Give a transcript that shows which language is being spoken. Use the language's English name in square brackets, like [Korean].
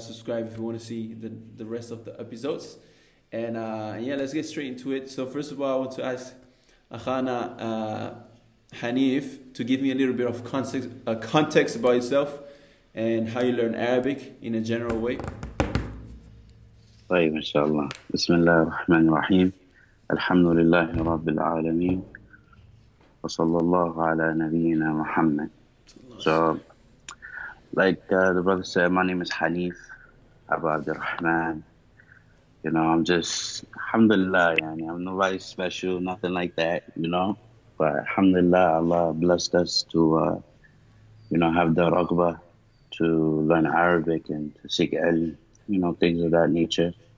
[English] Subscribe if you want to see the rest of the episodes. And yeah, let's get straight into it. So first of all, I want to ask Akhana Hanif to give me a little bit of context about yourself and how you learn Arabic in a general way. [Arabic] طيب إن شاء الله. بسم الله الرحمن الرحيم. الحمد لله رب العالمين وصلى الله على نبينا محمد. [English] So like the brother said, my name is Hanif Abu Abdul Rahman. You know, I'm just alhamdulillah, يعني, I'm nobody special, nothing like that, you know, but alhamdulillah, Allah blessed us to you know, have the raqba to learn Arabic and to seek ilm, you know, things of that nature.